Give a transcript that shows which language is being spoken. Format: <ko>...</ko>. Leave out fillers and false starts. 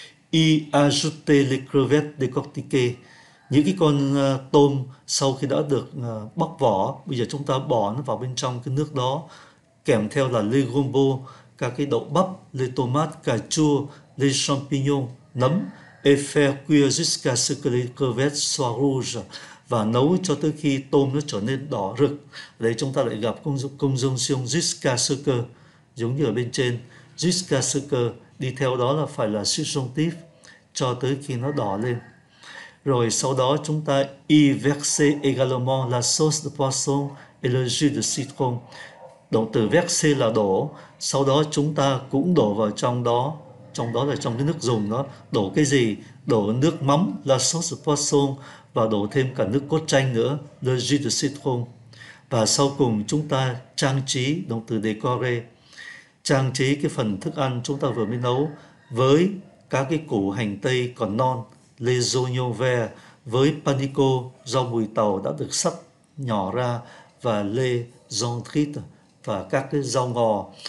<fr>Y ajouter les crevettes décortiquées,</fr> <vi>những cái con tôm sau khi đã được bóc vỏ, bây giờ chúng ta bỏ nó vào bên trong cái nước đó, kèm theo là</vi> <fr>les gombo,</fr> <vi>các cái đậu bắp,</vi> <fr>les tomates,</fr> <vi>cà chua,</vi> <fr>les champignons,</fr> <vi>nấm,</vi> <fr>et faire cuire jusqu'à ce que les crevettes soient rouges,</fr> <vi>và nấu cho tới khi tôm nó trở nên đỏ rực. Đấy, chúng ta lại gặp công dụng siêu</vi> <fr>jusqu'à ce que,</fr> <vi>giống như ở bên trên, jusqu'à ce que, đi theo đó là phải là saison tiếp cho tới khi nó đỏ lên. Rồi sau đó chúng ta</vi> <fr>y verser également la sauce de poisson et le jus de citron.</fr> <vi>Động từ verser là đổ, sau đó chúng ta cũng đổ vào trong đó là trong cái nước dùng đó, đổ cái gì? Đổ nước mắm</vi> <fr>la sauce de poisson</fr> <vi>và đổ thêm cả nước cốt chanh nữa,</vi> <fr>le jus de citron.</fr> <vi>Và sau cùng chúng ta trang trí, động từ décorer, trang trí cái phần thức ăn chúng ta vừa mới nấu với các cái củ hành tây còn non,</vi> <fr>les oignons verts,</fr> <vi>với panico, rau mùi tàu đã được sắc nhỏ ra, và lê, giòn thịt, và các cái rau ngò.</vi>